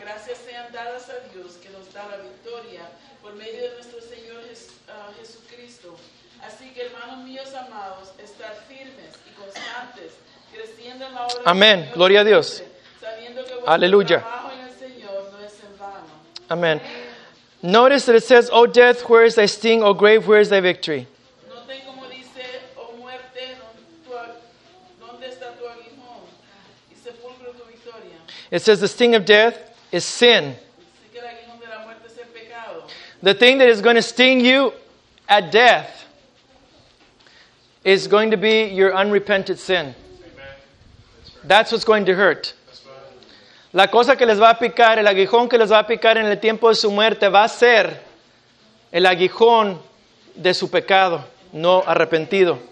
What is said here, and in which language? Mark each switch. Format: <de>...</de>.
<es>gracias sean dadas a Dios que nos da la victoria por medio de nuestro Señor Jesucristo. Así que, hermanos míos amados, estar firmes y constantes, creciendo en la obra. Amén. Gloria a Dios. Sabiendo que vuestro Aleluya. Trabajo en el Señor no es en vano. Amén.</es> <en>Notice that it says, O death, where is thy sting? O grave, where is thy victory?</en> <es>Note como dice, O muerte, ¿dónde está tu aguijón? Y sepulcro tu victoria.</es> <en>It says the sting of death is sin.</en> <es>Así que el aguijón de la muerte es el pecado.</es> <en>The thing that is going to sting you at death is going to be your unrepented sin. Amen. That's what's going to hurt.</en> <es>La cosa que les va a picar, el aguijón que les va a picar en el tiempo de su muerte va a ser el aguijón de su pecado, no arrepentido.</es>